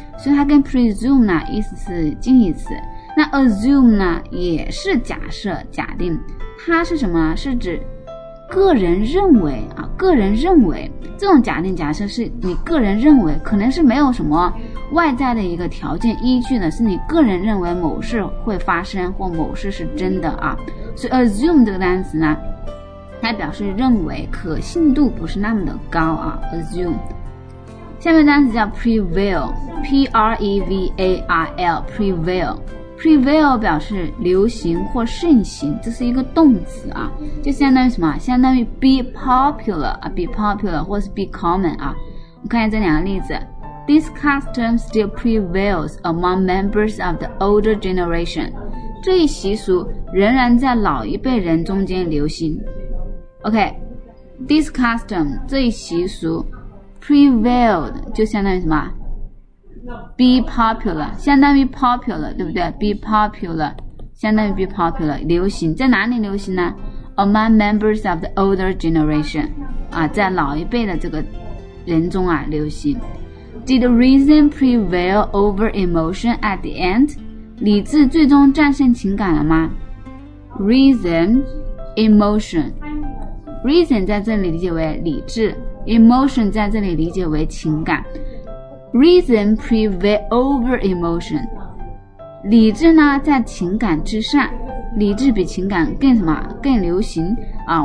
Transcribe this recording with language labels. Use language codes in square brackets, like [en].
[zh] 所以它跟 presume 呢意思是近义词。那 assume 呢也是假设、假定，它是什么，是指个人认为啊，个人认为，这种假定假设是你个人认为，可能是没有什么外在的一个条件依据的，是你个人认为某事会发生或某事是真的啊。所以 assume 这个单词呢，它表示认为可信度不是那么的高啊。 [en] assume。 [zh] 下面单词叫 prevail， P-R-E-V-A-I-L， prevail。 Prevail 表示流行或盛行，这是一个动词啊，就相当于什么，相当于 be popular 啊， be popular 或是 be common 啊。我们看一下这两个例子。 [en] This custom still prevails among members of the older generation， [zh] 这一习俗仍然在老一辈人中间流行。 OK， This custom 这一习俗 prevailed 就相当于什么，be popular 相当于 popular， 对不对？ be popular 相当于 be popular， 流行。在哪里流行呢？ [en] among members of the older generation [zh] 啊，在老一辈的这个人中啊流行。 [en] did reason prevail over emotion at the end？ [zh] 理智最终战胜情感了吗？reason emotion， reason 在这里理解为理智， emotion 在这里理解为情感。 [en] Reason prevail over emotion， [zh] 理智呢在情感之上，理智比情感更什么，更流行啊。